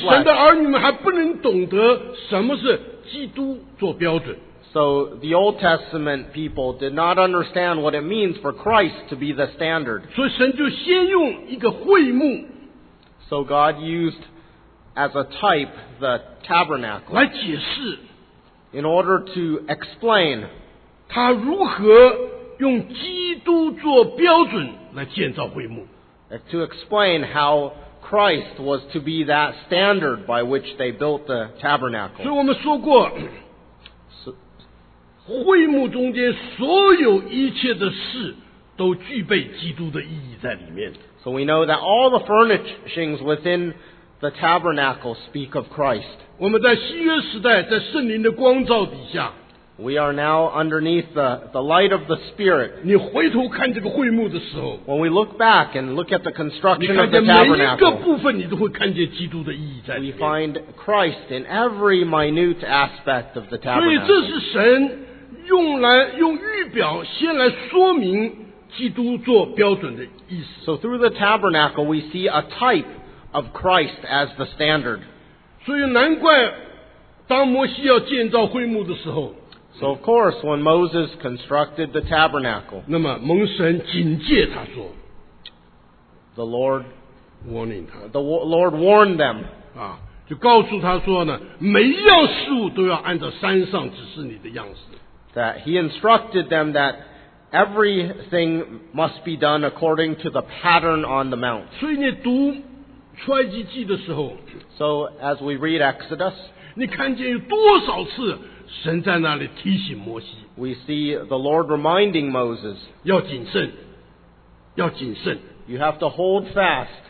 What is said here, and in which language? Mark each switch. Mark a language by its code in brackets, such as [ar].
[zh] 所以神的儿女们还不能懂得什么是基督做标准。 [en] So the Old Testament people did not understand what it means for Christ to be the standard. [zh] 所以神就先用一个会幕。 [en] So God used as a type the tabernacle. [zh] 来解释。 [en] In order to explain. [zh] 他如何用基督做标准来建造会幕。 [en] To explain how Christ was to be that standard by which they built the tabernacle. [zh] 所以我们说过。会幕中间所有一切的事都具备基督的意义在里面。 [en] So we know that all the furnishings within the tabernacle speak of Christ. [zh] 我们在新约时代在圣灵的光照底下。 [en] We are now underneath the light of the Spirit. [zh] 你回头看这个会幕的时候。 [en] When we look back and look at the construction of the [zh] 你看见每一个部分你都会看见基督的意义在里面。 [en] We find Christ in every minute aspect of the tabernacle. [zh] 所以这是神。用预表先来说明基督做标准的意思。 [en] So through the tabernacle, we see a type of Christ as the standard. [zh] 所以难怪当摩西要建造会幕的时候。 [en] So of course, when Moses constructed the tabernacle, [zh] 那么蒙神警戒他说 [en] ，The Lord warning [zh] 他 [en] ，The Lord warned them [zh] 啊，就告诉他说呢，每一样事物都要按照山上指示你的样式。 [en] That he instructed them that everything must be done according to the pattern on the mount. [zh] 所以你读出埃及记的时候 [en] ，So as we read Exodus, [zh] 你看见有多少次神在那里提醒摩西 [en] ？We see the Lord reminding Moses [zh] 要谨慎，要谨慎。 [en] You have to hold fast